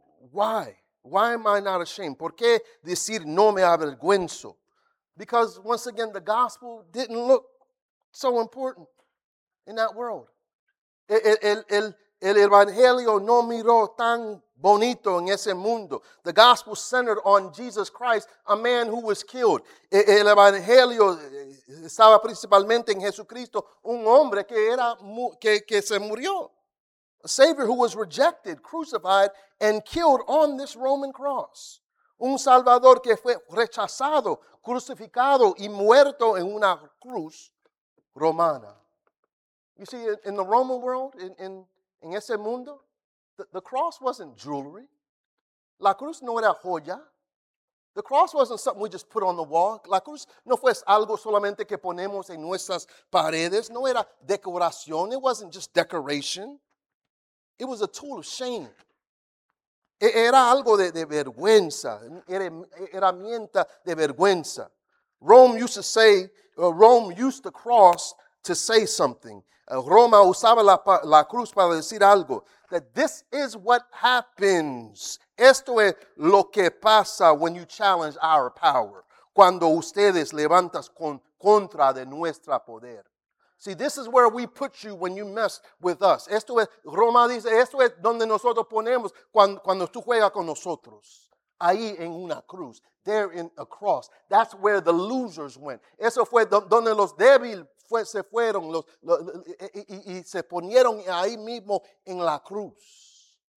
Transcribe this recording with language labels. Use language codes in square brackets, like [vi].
[en] Why am I not ashamed? [es] ¿Por qué decir no me avergüenzo? [en] Because once again, the gospel didn't look so important in that world. [es] El evangelio no miró tan bonito en ese mundo. [en] The gospel centered on Jesus Christ, a man who was killed. [es] El evangelio estaba principalmente en Jesucristo, un hombre que se murió. [en] A savior who was rejected, crucified, and killed on this Roman cross. [es] Un salvador que fue rechazado, crucificado y muerto en una cruz romana. [en] You see, in the Roman world, [es] en ese mundo, [en] the cross wasn't jewelry. [es] La cruz no era joya. [en] The cross wasn't something we just put on the wall. [es] La cruz no fue algo solamente que ponemos en nuestras paredes. No era decoración. [en] It wasn't just decoration. It was a tool of shame. [es] Era algo de vergüenza. Era herramienta de vergüenza. [en] Rome used the cross to say something. [es] Roma usaba la cruz para decir algo. [en] That this is what happens. [es] Esto es lo que pasa [en] when you challenge our power. [es] Cuando ustedes levantas contra de nuestro poder. [en] See, this is where we put you when you mess with us. [es] Esto es, Roma dice, esto es donde nosotros ponemos cuando tú juegas con nosotros. Ahí en una cruz. [en] There in a cross. That's where the losers went. [es] Eso fue donde los débiles se fueron y se ponieron ahí mismo en la cruz.